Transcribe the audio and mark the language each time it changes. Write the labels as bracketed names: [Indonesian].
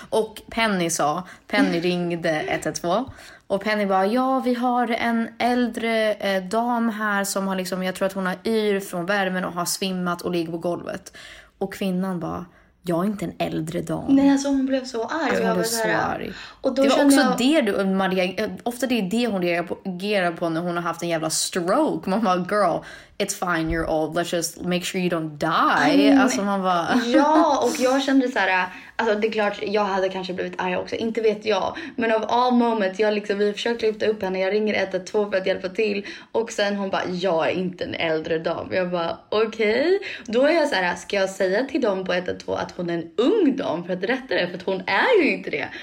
[Swedish] Och Penny sa, Penny ringde 112. Och Penny bara, ja, vi har en äldre dam här som har liksom, jag tror att hon har yr från värmen och har svimmat och ligger på golvet. Och kvinnan bara, jag är inte en äldre dam. Nej, alltså hon blev så arg. Hon blev så arg. Och då det var också jag... det du, Maria, ofta det är det hon reagerar på när hon har haft en jävla stroke. Man bara, [English] girl, it's fine, you're old. Let's just make sure you don't die. [Swedish] Alltså man bara... Ja, och jag kände så här, alltså det är klart, jag hade kanske blivit arg också. Inte vet jag. Men [English] of all moments, [Swedish] jag liksom, vi försökte lyfta upp henne. Jag ringer 112 för att hjälpa till. Och sen hon bara, jag är inte en äldre dam. Jag bara, okej. Okay. Då är jag så här, ska jag säga till dem på 112 att hon är en ung dam för att rätta det? För att hon är ju inte det.